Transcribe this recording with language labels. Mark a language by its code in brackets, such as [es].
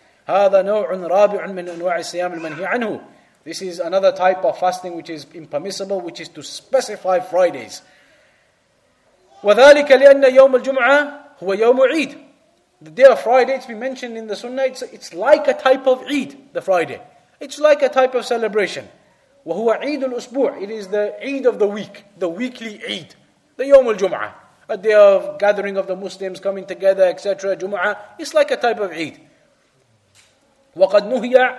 [ar] هذا نوع رابع من أنواع الصيام المنهي عنه. [en] This is another type of fasting which is impermissible, which is to specify Fridays. [ar] وذلك لأن يوم الجمعة هو يوم عيد. [en] The day of Friday, it's been mentioned in the Sunnah, it's like a type of Eid, the Friday. It's like a type of celebration. [ar] وهو عيد الأسبوع. [en] It is the Eid of the week, the weekly Eid, the يوم الجمعة. A day of gathering of the Muslims, coming together, etc. Jumu'ah, it's like a type of Eid. [ar] وَقَدْ نُهِيَ.